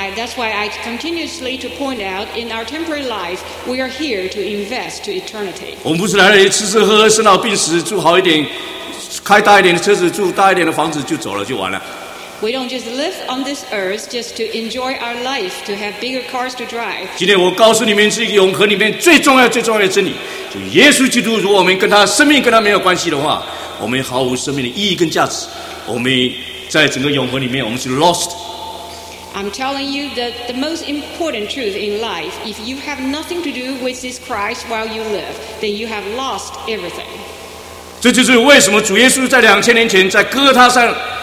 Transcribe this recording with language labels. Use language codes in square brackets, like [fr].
[en] that's why I continuously to point out in our temporary life, we are here to invest to eternity. [zh] 我们不是来吃吃喝喝、生老病死，住好一点、开大一点的车子、住大一点的房子就走了，就完了。 [en] We don't just live on this earth just to enjoy our life, to have bigger cars to drive. [zh] 今天我告诉你们是永恒里面最重要的真理，就耶稣基督。如果我们跟他生命跟他没有关系的话，我们毫无生命的意义跟价值，我们在整个永恒里面我们是 lost。 [en] I'm telling you that the most important truth in life, if you have nothing to do with this Christ while you live, then you have lost everything. [zh] 这就是为什么主耶稣在2000年前在哥他山。